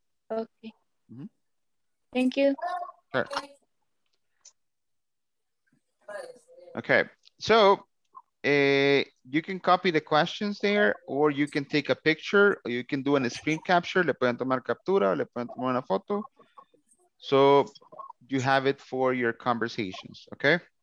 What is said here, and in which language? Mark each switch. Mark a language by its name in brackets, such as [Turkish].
[English] Okay. Mm-hmm. Thank you. Sure. Okay, so you can copy the questions there, or you can take a picture, or you can do a screen capture. [Spanish] Le pueden tomar captura, le pueden tomar una foto. [English] So you have it for your conversations, okay?